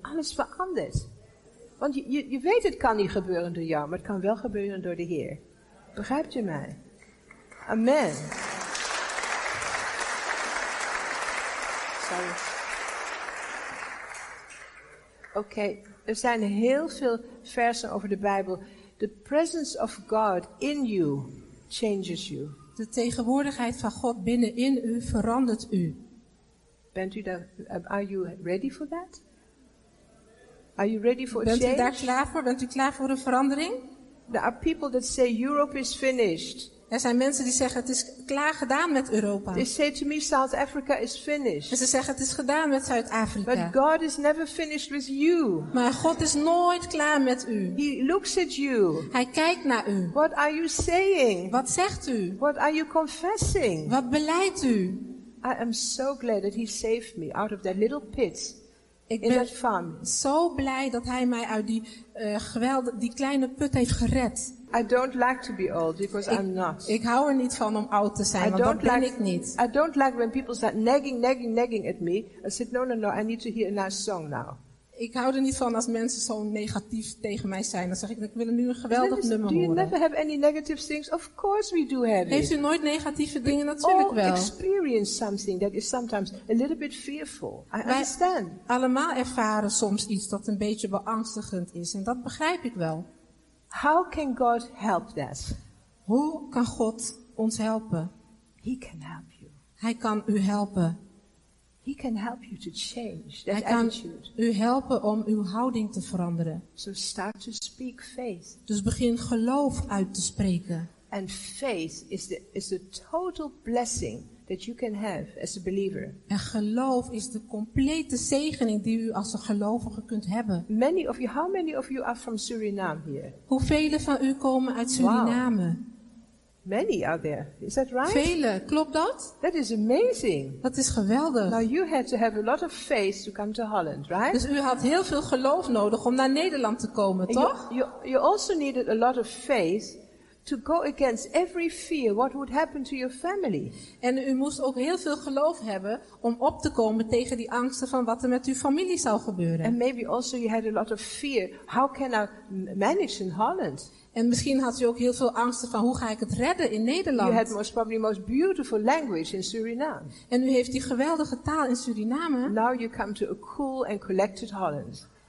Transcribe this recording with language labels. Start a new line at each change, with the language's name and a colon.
Dutch: Alles verandert. Want je weet, het kan niet gebeuren door jou, maar het kan wel gebeuren door de Heer. Begrijpt u mij? Amen. Sorry. Okay, er zijn heel veel versen over de Bijbel.
English: The presence of God in you changes you.
Dutch: De tegenwoordigheid van God binnenin u verandert u. Bent u daar,
English: are you ready for that? Are you ready for
Dutch: Bent
English: a change?
Dutch: U daar klaar voor? Bent u klaar voor een verandering?
English: There are people that say Europe is finished.
Dutch: Er zijn mensen die zeggen, het is klaar gedaan met Europa.
English: They say to me, South Africa is finished.
Dutch: En ze zeggen, het is gedaan met Zuid-Afrika.
English: But God is never finished with you.
Dutch: Maar God is nooit klaar met u.
English: He looks at you.
Dutch: Hij kijkt naar u.
English: What are you saying?
Dutch: Wat zegt u?
English: What are you confessing?
Dutch: Wat beleidt u?
English: I am so glad that he saved me out of that little pit.
Dutch: Ik ben zo blij dat hij mij uit die die kleine put heeft gered.
English: I don't like to be old because I'm not.
Dutch: Ik hou er niet van om oud te zijn, want dat ben ik niet.
English: I don't like when people start nagging at me. I said, no, I need to hear a nice song now.
Dutch: Ik hou er niet van als mensen zo negatief tegen mij zijn. Dan zeg ik, ik wil nu een geweldig nummer horen.
English: Do you never have any negative things? Of course we do have it.
Dutch: Heeft u nooit negatieve dingen? Natuurlijk wel.
English: We all experience something that is sometimes a little bit fearful. I understand.
Dutch: Wij allemaal ervaren soms iets dat een beetje beangstigend is. En dat begrijp ik wel.
English: How can God help that?
Dutch: Hoe kan God ons helpen?
English: He can help you.
Dutch: Hij kan u helpen.
English: He can help you to change that
Dutch: Hij kan
English: attitude.
Dutch: U helpen om uw houding te veranderen.
English: So start to speak faith.
Dutch: Dus begin geloof uit te spreken.
English: And faith is the total blessing that you can have as a believer.
Dutch: En geloof is de complete zegening die u als een gelovige kunt hebben.
English: How many of you are from Suriname here?
Dutch: Hoeveel van u komen uit Suriname?
English: Wow. Many are there. Is that right?
Dutch: Vele, klopt dat?
English: That is amazing.
Dutch: Dat is geweldig.
English: Now you had to have a lot of faith to come to Holland, right?
Dutch: Dus u had heel veel geloof nodig om naar Nederland te komen,
English: and
Dutch: toch?
English: You also needed a lot of faith to go against every fear what would happen to your family.
Dutch: En u moest ook heel veel geloof hebben om op te komen tegen die angsten van wat er met uw familie zou gebeuren.
English: And maybe also you had a lot of fear. How can I manage in Holland?
Dutch: En misschien had u ook heel veel angsten van hoe ga ik het redden in Nederland.
English: You had most probably most beautiful language in Suriname.
Dutch: En u heeft die geweldige taal in Suriname.
English: Now you come to a cool and collected Holland.